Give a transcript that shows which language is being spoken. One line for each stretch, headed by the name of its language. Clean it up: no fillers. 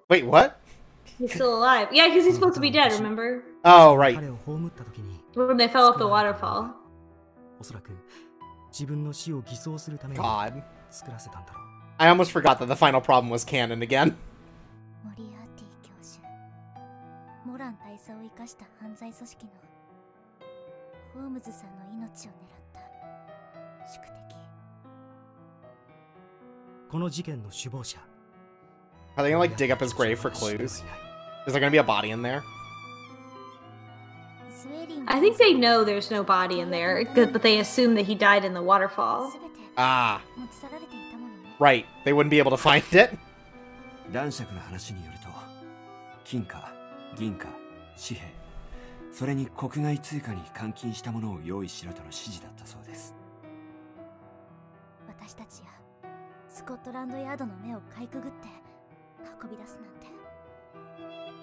English: Wait, what? He's still alive. Yeah, because he's supposed to be dead, remember? Oh, right. When they fell off the waterfall. God. I almost forgot that the final problem was canon again.
Japanese: Moriarty 教授. Moran 大佐を生かした犯罪組織のホームズさんの命を狙った宿敵。この事件の首謀者。
English: Are they gonna like dig up his grave for clues? Is there gonna be a body in there? I think they know there's no body in there, but they assume that he died in the waterfall. Ah. Right. They wouldn't be able to find it.
Japanese: 男爵の話によると、金貨、銀貨、紙幣、それに国外通貨に換金したものを用意しろとの指示だったそうです。私たちや。スコットランドヤードの目をかいくぐって運び出すなんて。